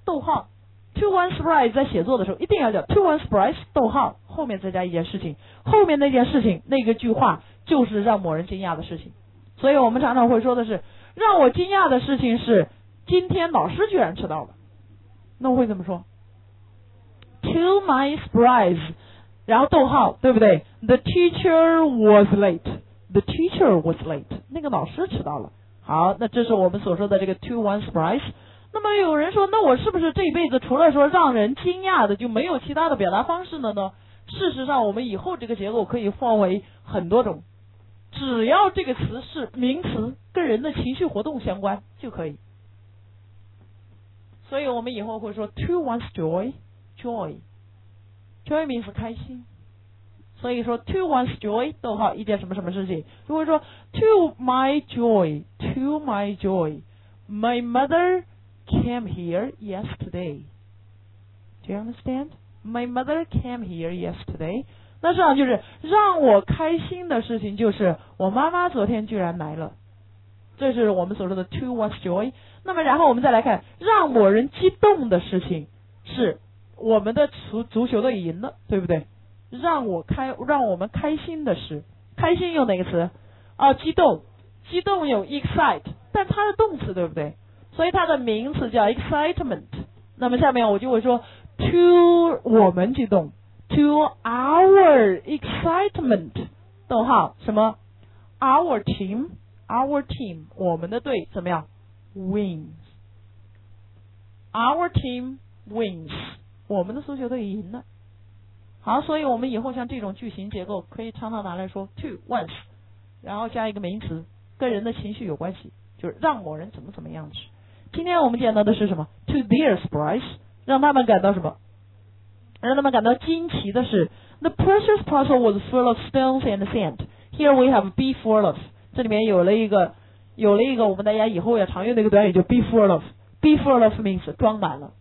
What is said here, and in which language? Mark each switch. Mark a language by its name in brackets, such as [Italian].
[Chinese] 逗号， to one's surprise， 在写作的时候一定要叫 to one's surprise 逗号，后面再加一件事情，后面那件事情那个句话就是让某人惊讶的事情。所以我们常常会说的是，让我惊讶的事情是今天老师居然迟到了，那我会怎么说？ [English] To my surprise， [Chinese] 然后逗号，对不对？ [English] The teacher was late， The teacher was late， [Chinese] 那个老师迟到了。好，那这是我们所说的这个 to one surprise。那么有人说，那我是不是这一辈子除了说让人惊讶的就没有其他的表达方式了呢？事实上我们以后这个结构可以放为很多种，只要这个词是名词，跟人的情绪活动相关就可以。所以我们以后会说 [English] to one's joy， joy， joy means [Chinese] 开心。所以说 [English] to one's joy [Chinese] 逗号一件什么什么事情，如果说 [English] to my joy， to my joy， my mother came here yesterday， do you understand？ my mother came here yesterday， [Chinese] 那实际上就是让我开心的事情，就是我妈妈昨天居然来了，这是我们所说的 to one's joy。那么然后我们再来看让某人激动的事情，是我们的足球队赢了，对不对？让我们开心的事，开心用哪个词？哦，激动，激动用 excite， 但它的动词，对不对？所以它的名词叫 excitement。那么下面我就会说 to 我们激动， [English] to our excitement， [Chinese] 逗号什么？ [English] our team， our team， [Chinese] 我们的队怎么样？ [English] Wins， our team wins， [Chinese] 我们的足球队赢了。好，所以我们以后像这种句型结构可以常常拿来说 to once， 然后加一个名词，跟人的情绪有关系，就是让某人怎么怎么样子。今天我们见到的是什么？ [English] to their surprise， [Chinese] 让他们感到什么？让他们感到惊奇的是 [English] the precious parcel was full of stones and sand， here we have be full of， [Chinese] 这里面有了一个我们大家以后要常用的一个短语，就 [English] be full of， be full of means [Chinese] 装满了。